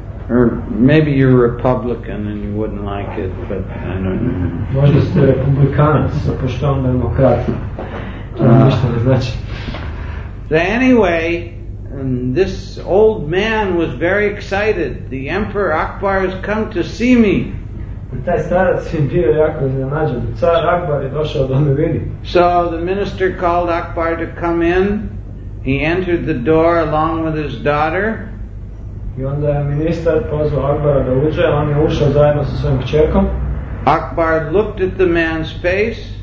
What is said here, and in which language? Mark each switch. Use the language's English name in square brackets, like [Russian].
[English] Or maybe you're Republican and you wouldn't like it, but I don't know. [Croatian] Možda ste Republikanac, sa poštom demokrat. To ništa ne znači. [English] Anyway, this old man was very excited. The Emperor Akbar has come to see me. [Croatian] Taj starac je bio jako iznenađen. Car Akbar je došao da me vidi. [English] So the minister called Akbar to come in. He entered the door along with his daughter. [Croatian] I onda je ministar pozvao Akbara da uđe. On je ušao zajedno sa svojim kćerkom. [English] Akbar looked at the man's face.